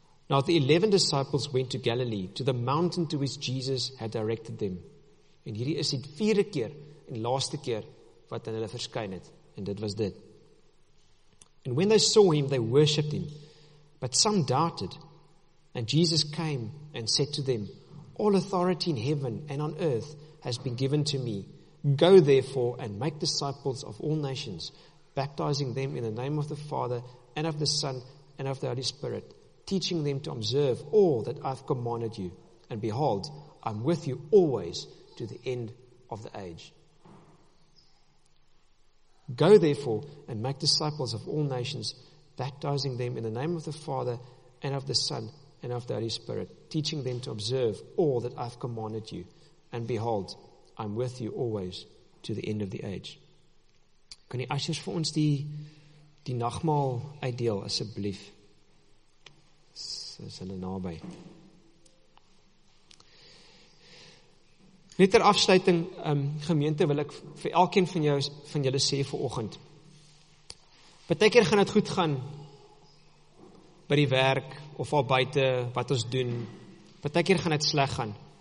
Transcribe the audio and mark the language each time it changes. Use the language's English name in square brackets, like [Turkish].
[English] Now the 11 disciples went to Galilee, to the mountain to which Jesus had directed them. [Afrikaans] En hierdie is dit vierde keer en laaste keer wat aan hulle verskyn het. En dit was dit. [English] And when they saw him, they worshipped him. But some doubted. And Jesus came and said to them, All authority in heaven and on earth has been given to me. Go therefore and make disciples of all nations, baptizing them in the name of the Father and of the Son and of the Holy Spirit, teaching them to observe all that I've commanded you. And behold, I'm with you always to the end of the age. Go therefore and make disciples of all nations, baptizing them in the name of the Father and of the Son and of the Holy Spirit, teaching them to observe all that I've commanded you. And behold, I'm with you always to the end of the age. [Afrikaans] Kan die ushers vir ons die nagmaal uitdeel asseblief? Is hulle naby. Net ter afsluiting, gemeente, wil ek vir elkeen van julle sê vir oggend. Partykeer gaan het goed gaan by die werk of al buite wat ons doen. Partykeer gaan het sleg gaan.